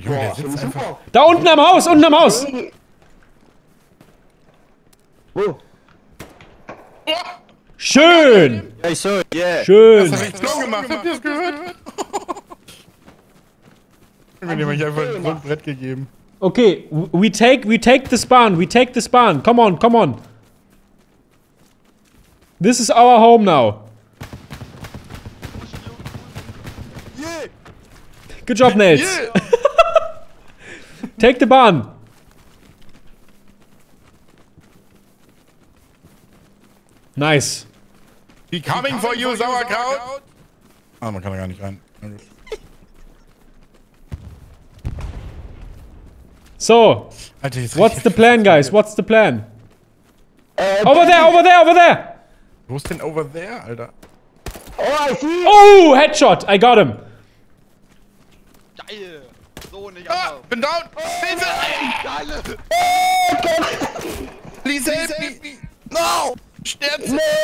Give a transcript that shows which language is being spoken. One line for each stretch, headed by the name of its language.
German: Junge, der sitzt einfach. Da unten am Haus, unten am Haus! Schön! Schön! Das hab ich klug gemacht, habt ihr das gehört? Mir nämlich einfach so ein Brett gegeben.
English: Okay, we take the spawn, we take the spawn. Come on, come on. This is our home now. Good job, Nels. Yeah. Take the barn. Nice. Be coming for you, Sauerkraut.
German: Ah, man kann da gar nicht rein.
English: So, what's the plan, guys? What's the plan? Over there, over there, over there!
German: Wo ist denn
English: over there,
German: Alter?
English: Oh, I see! Oh, Headshot! I got him!
German: Geil! So nicht auch. Bin down! Hilfe! Geil!
English: Please help me! No!
German: Sterzig!